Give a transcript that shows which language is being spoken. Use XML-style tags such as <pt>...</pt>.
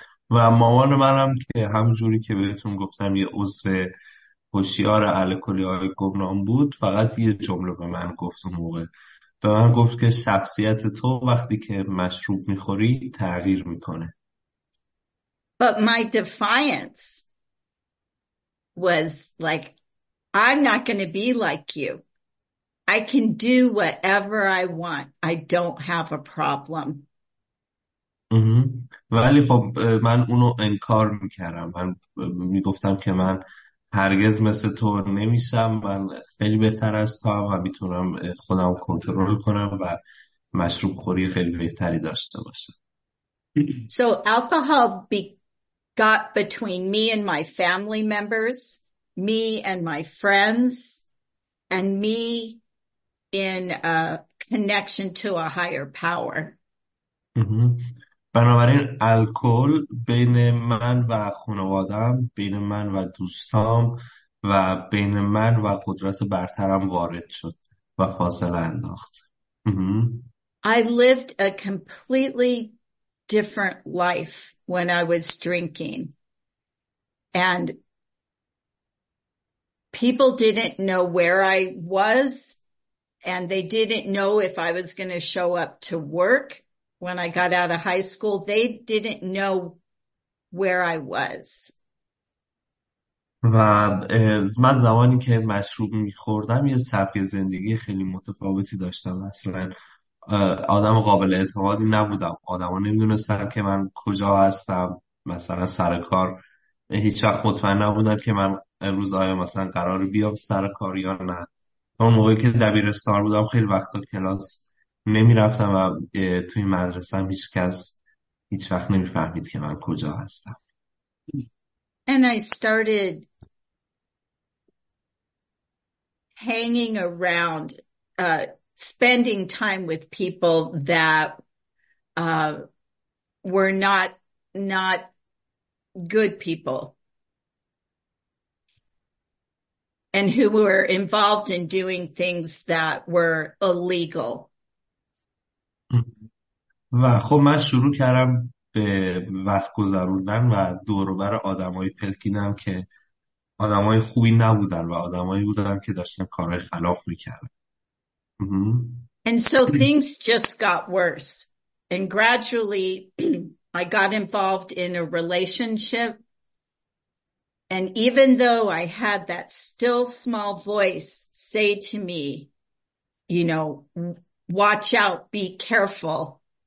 <fa>و مامان منم که همونجوری که بهتون گفتم یه عضو هوشیار الکلی های گمنام بود فقط یه جمله به من گفت اون موقع. به من گفت که شخصیت تو وقتی که مشروب میخوری تغییر میکنه.</fa> <en>But my defiance was like, I'm not going to be like you. I can do whatever I want. I don't have a problem.</en> <fa>ولی خب من اونو انکار میکردم. من میگفتم که من هرگز مثل تو نمیشم. من خیلی بهتر از تو و میتونم خودم کنترل کنم و مشروب خوری خیلی بهتری داشته باشم.</fa> <en>So alcohol got between me and my family members, me and my friends, and me in a connection to a higher power.</en> <fa>بنابراین الکل بین من و خانوادم، بین من و دوستام و بین من و قدرت برترم وارد شد و فاصله انداخت.</fa> <en>I lived a completely different life when I was drinking, and people didn't know where I was, and they didn't know if I was going to show up to work when I got out of high school. They didn't know where I was.</en> <fa>و من زمانی که مشروب میخوردم یه سبک زندگی خیلی متفاوتی داشتم. اصلا آدم قابل اعتمادی نبودم. آدم ها نمیدونستن که من کجا هستم. مثلا سر کار هیچ وقت مطمئن نبودم که من امروز آیا مثلا قرار بیام سر کار یا نه. اون موقعی که دبیرستان بودم خیلی وقتا کلاس نمیرفتم و توی مدرسه هیچ کس هیچ وقت نمیفهمید که من کجا هستم.</fa> <en>And I started hanging around, spending time with people that were not good people. and who were involved in doing things that were illegal.</en> <fa>و خب من شروع کردم به وقت گذروندن و دوروبر آدمای پلکینم که آدمای خوبی نبودن و آدمایی بودن که داشتن کارهای خلاف میکردن.</fa> <en>And so things just got worse. And gradually I got involved in a relationship. And even though I had that still small voice say to me, you know, watch out, be careful.</en>